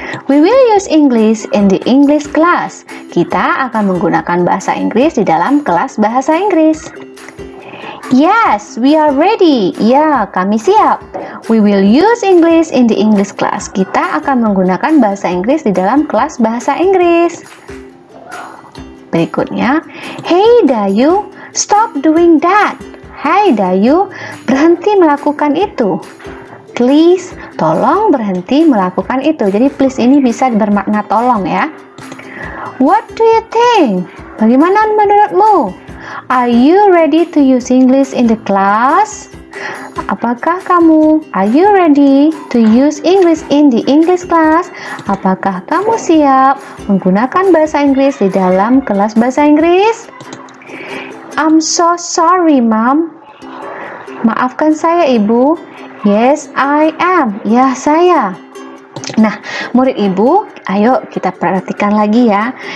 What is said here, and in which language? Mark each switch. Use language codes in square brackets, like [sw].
[en] We will use English in the English class. [id] Kita akan menggunakan bahasa Inggris di dalam kelas bahasa Inggris. [en] Yes, we are ready. [id] Ya, kami siap. [en] We will use English in the English class. [id] Kita akan menggunakan bahasa Inggris di dalam kelas bahasa Inggris. Berikutnya, [en] Hey Dayu, stop doing that. [id] Hai Dayu, berhenti melakukan itu. [en] Please, [id] tolong berhenti melakukan itu. Jadi please ini bisa bermakna tolong ya. [en] What do you think? [id] Bagaimana menurutmu? [en] Are you ready to use English in the class? [id] Apakah kamu? [en] Are you ready to use English in the English class? [id] Apakah kamu siap menggunakan bahasa Inggris di dalam kelas bahasa Inggris? [en] I'm so sorry, Mom. [id] Maafkan saya, Ibu. [en] Yes, I am. [id] Ya, saya. Nah, murid Ibu, ayo kita perhatikan lagi ya.